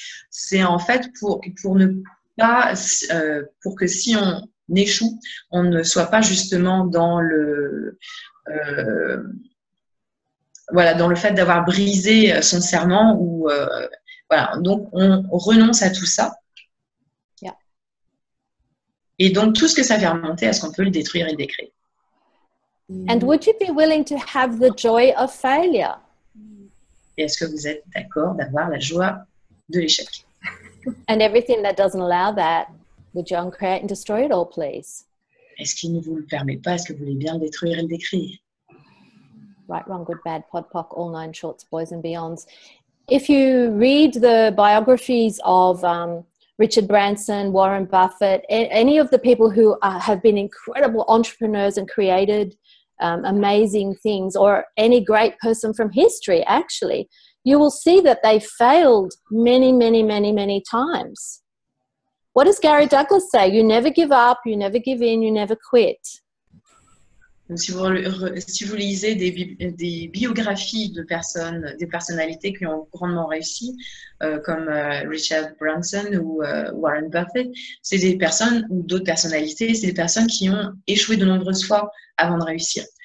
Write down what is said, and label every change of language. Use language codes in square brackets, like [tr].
[fr] C'est en fait pour ne pas, pour que si on échoue, on ne soit pas justement dans le, voilà, dans le fait d'avoir brisé son serment ou voilà, donc on renonce à tout ça. Yeah. Et donc tout ce que ça fait remonter, est-ce qu'on peut le détruire et le décréer? [en] And would you be willing to have the joy of failure? [fr] Et est-ce que vous êtes d'accord d'avoir la joie de l'échec? [en] And everything that doesn't allow that, would you uncreate and destroy it all, please? [fr] Est-ce qu'il ne vous le permet pas? Est-ce que vous voulez bien le détruire et le décréer? [en] Right, wrong, good, bad, pod, poc, all nine shorts, boys and beyonds. If you read the biographies of Richard Branson, Warren Buffett, any of the people who have been incredible entrepreneurs and created amazing things, or any great person from history, actually, you will see that they failed many, many, many, many times. What does Gary Douglas say? You never give up, you never give in, you never quit. [fr] Si vous lisez des biographies de personnes, des personnalités qui ont grandement réussi, comme Richard Branson ou Warren Buffett, c'est des personnes ou d'autres personnalités, c'est des personnes qui ont échoué de nombreuses fois avant de réussir.